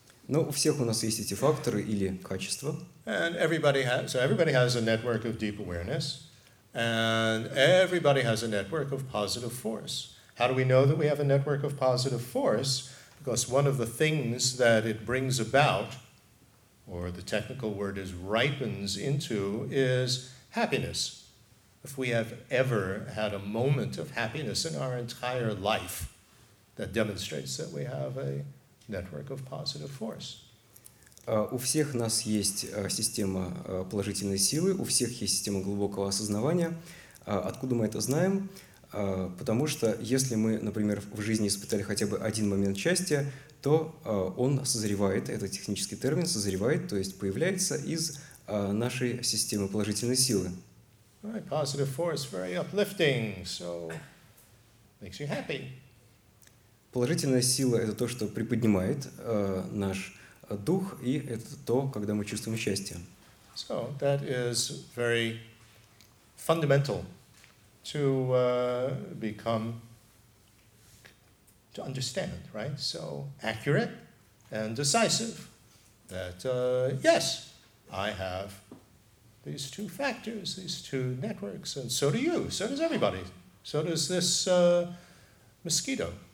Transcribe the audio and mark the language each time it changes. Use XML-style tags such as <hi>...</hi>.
<ru>Но у всех у нас есть эти факторы или качества.</ru> <en>And everybody has a network of deep awareness, and everybody has a network of positive force. How do we know that we have a network of positive force? Because one of the things that it brings about, or the technical word is ripens into, is happiness. If we have ever had a moment of happiness in our entire life, that demonstrates that we have a network of positive force.</en> <ru>У всех нас есть система положительной силы, у всех есть система глубокого осознавания. Откуда мы это знаем? Потому что если мы, например, в жизни испытали хотя бы один момент счастья, то он созревает, это технический термин, созревает, то есть появляется из нашей системы положительной силы.</ru> <en>Right, positive force, very uplifting, so makes you happy.</en> <ru>Положительная сила — это то, что приподнимает наш дух, и это то, когда мы чувствуем счастье.</ru> <en>So, that is very fundamental to become, to understand, right? So, accurate and decisive. That, yes, I have these two factors, these two networks, and so do you, so does everybody, so does this mosquito.</en>